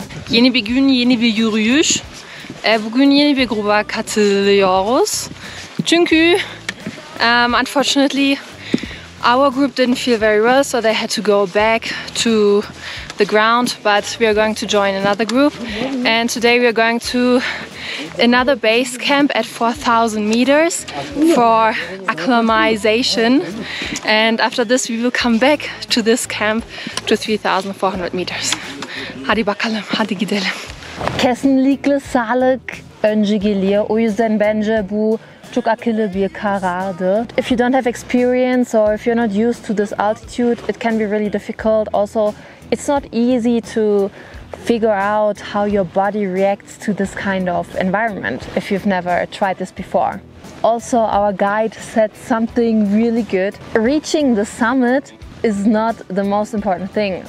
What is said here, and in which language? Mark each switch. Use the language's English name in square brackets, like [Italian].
[Turkish] Yeni bir gün, yeni bir yürüyüş. Bugün yeni bir gruba katılıyoruz. Çünkü [English] unfortunately our group didn't feel very well, so they had to go back to the ground, but we are going to join another group, and today we are going to another base camp at 4,000 meters for acclimatization, and after this we will come back to this camp to 3,400 meters. [Turkish] Hadi bakalım, hadi gidelim. Kesinlikle sağlık önce geliyor, o yüzden bence bu çok akıllı bir karardı. [English] If you don't have experience or if you're not used to this altitude, it can be really difficult. Also, it's not easy to figure out how your body reacts to this kind of environment if you've never tried this before. Also, our guide said something really good. Reaching the summit is not the most important thing.